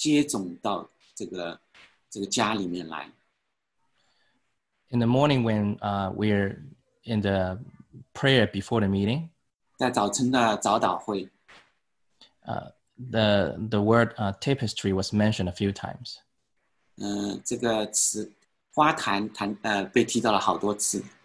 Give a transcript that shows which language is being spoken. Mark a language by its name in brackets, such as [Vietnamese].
[Chinese] 很高兴我们也很感恩我们接种到这个家里面来。 [English] In the morning when we're in the prayer before the meeting, [Chinese] 在早晨的早祷会, [English] the word tapestry was mentioned a few times. [Chinese] 这个词花坛被提到了好多次。